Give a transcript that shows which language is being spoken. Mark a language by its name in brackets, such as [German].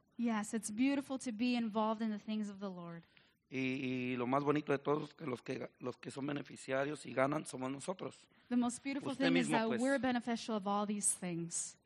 [English] Yes, it's beautiful to be involved in the things of the Lord. [Spanish] Y lo más bonito de todos que los que son beneficiarios y ganan somos nosotros. [English] The most beautiful thing is that we're beneficial of all these things.